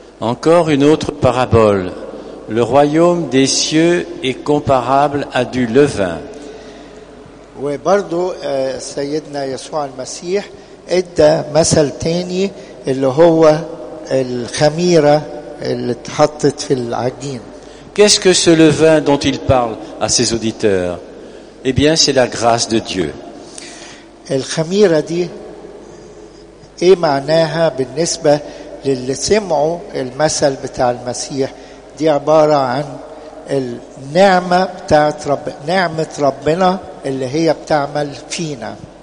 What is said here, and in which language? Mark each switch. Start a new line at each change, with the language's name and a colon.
French: Encore une autre parabole. Le royaume des cieux est comparable à du levain.
Arabic: وبرضو سيدنا يسوع المسيح ادى مثل تاني اللي هو الخميرة اللي اتحطت في العجين.
French: Qu'est-ce que ce levain dont il parle à ses auditeurs? Eh bien, c'est la grâce de Dieu.
Arabic: الخميرة دي ايه معناها بالنسبة للي سمعوا المثل بتاع المسيح؟ دي عبارة عن النعمة بتاعت نعمة ربنا اللي هي بتعمل فينا.